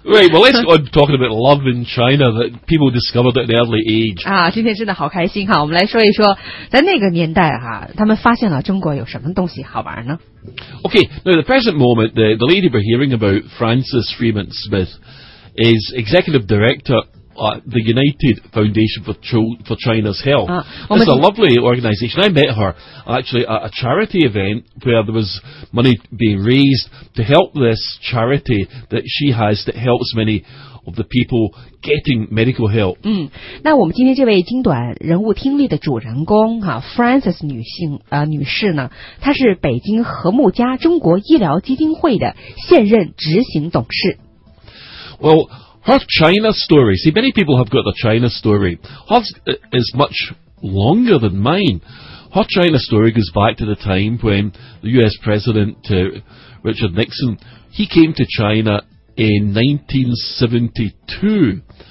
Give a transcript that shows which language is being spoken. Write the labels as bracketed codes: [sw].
[en] Right, well, let's go on talking about love in China that people discovered at an early age. [zh] 啊，今天真的好开心哈！我们来说一说，在那个年代哈，他们发现了中国有什么东西好玩呢？ [en] Okay, now at the present moment, the lady we're hearing about, Frances Freeman Smith, is executive director at the United Foundation for China's Health. It's a lovely organization. I met her actually at a charity event where there was money being raised to help this charity that she has that helps many of the people getting medical help. [zh] 那我们今天这位精短人物听力的主人公哈 ，Frances 女士呢，她是北京和睦家中国医疗基金会的现任执行董事。 [en] Well, her China story. See, many people have got the China story. Hers is much longer than mine. Her China story goes back to the time when the U.S. President Richard Nixon he came to China in 1972.